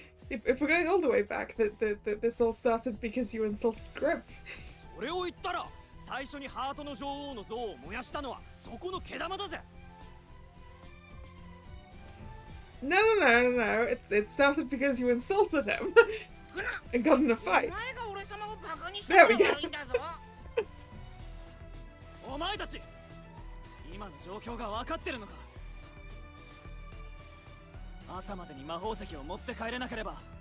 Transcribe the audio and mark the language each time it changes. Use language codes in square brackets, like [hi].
[en] If we're going all the way back, that this all started because you insulted Grip. [ja] それを言ったら、最初にハートの女王の像を燃やしたのはそこの毛玉だぜ。 [en] No. It started because you insulted him and got in a fight. There we go. [ja] お前たち、今の状況が分かってるのか。朝までに魔法石を持って帰れなければ。